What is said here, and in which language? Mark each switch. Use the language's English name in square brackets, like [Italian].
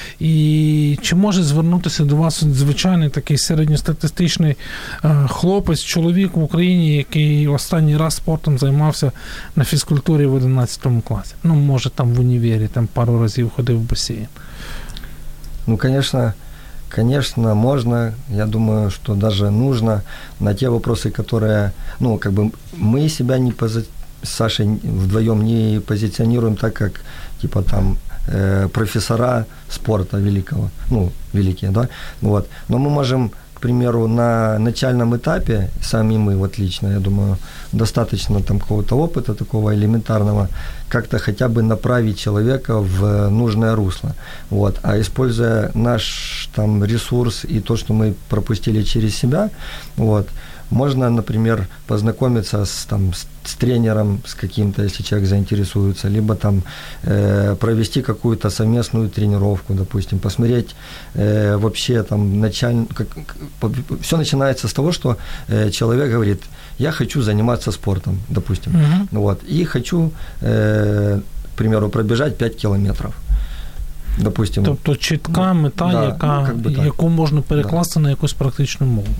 [Ukrainian] І чи може звернутися до вас звичайний такий середньостатистичний хлопець, чоловік в Україні, який останній раз спортом займався на фізкультурі в 11 класі? Ну, може, там в універі там пару разів ходив в басейн. Ну, звісно. [Russian] Конечно, можно. Я думаю, что даже нужно на те вопросы, которые, ну, как бы мы себя не с Сашей вдвоем не позиционируем так, как типа там профессора спорта великого, ну, великие, да. Вот. Но мы можем, к примеру, на начальном этапе, сами мы, вот лично, я думаю, достаточно там какого-то опыта такого элементарного, как-то хотя бы направить человека в нужное русло. Вот. А используя наш там ресурс и то, что мы пропустили через себя, вот, можно, например, познакомиться с, там, с тренером, с каким-то, если человек заинтересуется, либо там провести какую-то совместную тренировку, допустим, посмотреть вообще там начально... Все начинается с того, что человек говорит, я хочу заниматься спортом, допустим, угу. Вот, и хочу, к примеру, пробежать 5 километров. Допустим. [Ukrainian] Тобто чітка мета, да, яка, [Russian] ну, как бы [Ukrainian] яку можна перекласти, да, на якусь практичну мову.